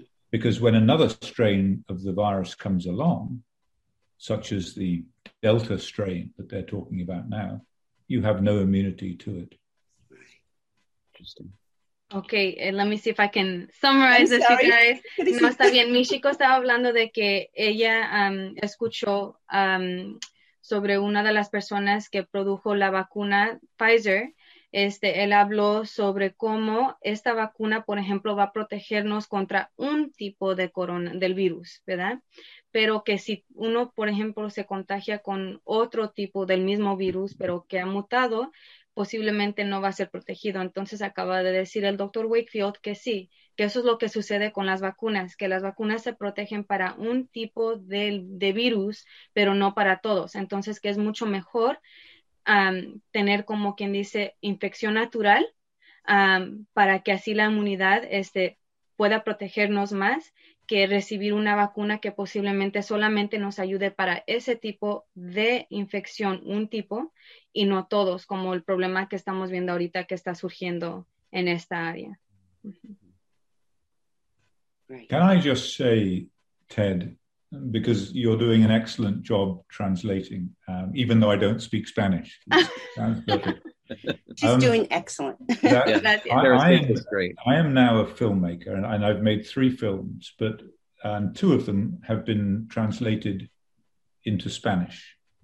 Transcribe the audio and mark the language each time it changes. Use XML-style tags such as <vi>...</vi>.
<en>Because when another strain of the virus comes along, such as the Delta strain that they're talking about now, you have no immunity to it. Interesting. Okay, let me see if I can summarize this, you guys.</en> <es>No, está bien. Mi chico estaba hablando de que ella escuchó sobre una de las personas que produjo la vacuna Pfizer. Él habló sobre cómo esta vacuna, por ejemplo, va a protegernos contra un tipo de corona, del virus, ¿verdad? Pero que si uno, por ejemplo, se contagia con otro tipo del mismo virus, pero que ha mutado, posiblemente no va a ser protegido. Entonces acaba de decir el doctor Wakefield que sí, que eso es lo que sucede con las vacunas se protegen para un tipo de virus, pero no para todos. Entonces que es mucho mejor tener como quien dice infección natural para que así la inmunidad pueda protegernos más que recibir una vacuna que posiblemente solamente nos ayude para ese tipo de infección, un tipo, y no todos, como el problema que estamos viendo ahorita que está surgiendo en esta área.</es> <en>Can I just say, Ted, because you're doing an excellent job translating, even though I don't speak Spanish. She's doing excellent. I am now a filmmaker, and I've made 3 films, but two of them have been translated into Spanish.</en>